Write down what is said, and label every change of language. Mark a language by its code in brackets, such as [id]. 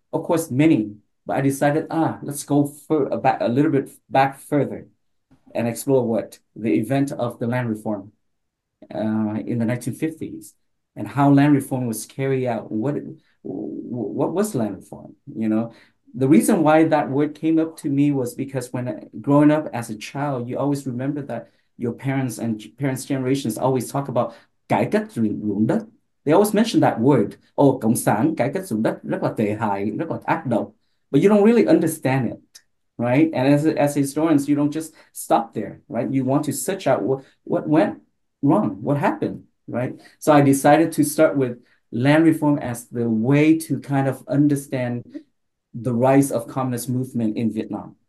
[en] Of course, many, but I decided, let's go for back a little bit back further and explore what the event of the land reform in the 1950s, and how land reform was carried out. What was land reform? You know, the reason why that word came up to me was because when growing up as a child, you always remember that your parents and parents' generations always talk about [vi] cải cách ruộng đất. [en] They always mention that word. [vi] Oh, cộng sản cải cách ruộng đất rất là tệ hại, rất là ác độc. [en] But you don't really understand it, right? And as historians, you don't just stop there, right? You want to search out what went wrong, what happened, right? So I decided to start with land reform as the way to kind of understand the rise of communist movement in Vietnam.